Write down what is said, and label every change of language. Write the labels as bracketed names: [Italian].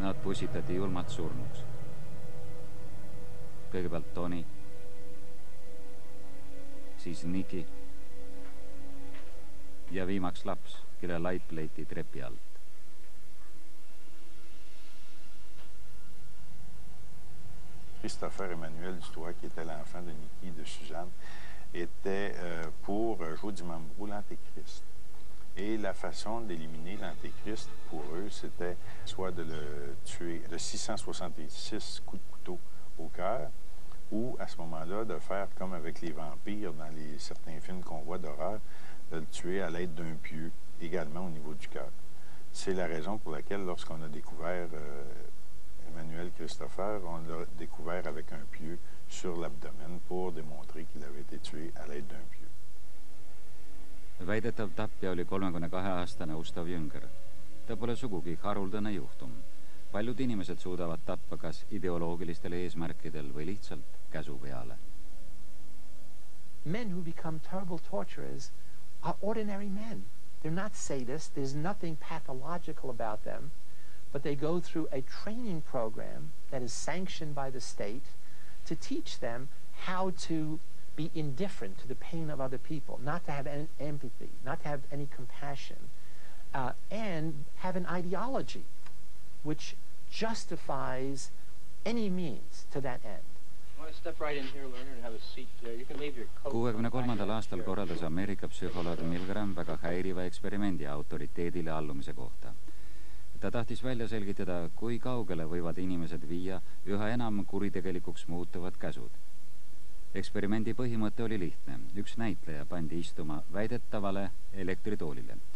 [Estonian] Nad pusitati julmat surnuks. Kõigepealt Toni, siis Niki ja viimaks laps, kelle laip leiti trepi alt. [French] Christopher Emmanuel Dutoit, qui était l'enfant de Niki de Suzanne, était pour Jody Mambro l'antéchrist. Et la façon d'éliminer l'antéchrist pour eux, c'était soit de le tuer de 666 coups de couteau au cœur, ou, à ce moment-là, de faire comme avec les vampires dans les certains films qu'on voit d'horreur, de le tuer à l'aide d'un pieu, également au niveau du cœur. C'est la raison pour laquelle, lorsqu'on a découvert Emmanuel Christopher, on l'a découvert avec un pieu sur l'abdomen pour démontrer qu'il avait été tué à l'aide d'un pieu. [Estonian] Väidetav tapja oli 32-aastane Ustav Jünger. Ta pole sugugi haruldane juhtum. Paljud inimesed suudavad tappa kas ideoloogilistel eesmärkidel või lihtsalt käsu peale. [English] Men who become terrible torturers are ordinary men. They're not sadists, there's nothing pathological about them, but they go through a training program that is sanctioned by the state to teach them how to be indifferent to the pain of other people, not to have any empathy, not to have any compassion, and have an ideology which justifies any means to that end. Step right in here, learner, and have a seat there. You can leave your coat. [Estonian] 63. aastal korraldas Ameerika psühholoog Milgram väga häiriva eksperimendi autoriteedile allumise kohta. Ta tahtis välja selgitada, kui kaugele võivad inimesed viia üha enam kuritegelikuks muutuvad käsud. Eksperimendi põhimõte oli lihtne. Üks näitleja pandi istuma väidetavale elektritoolile.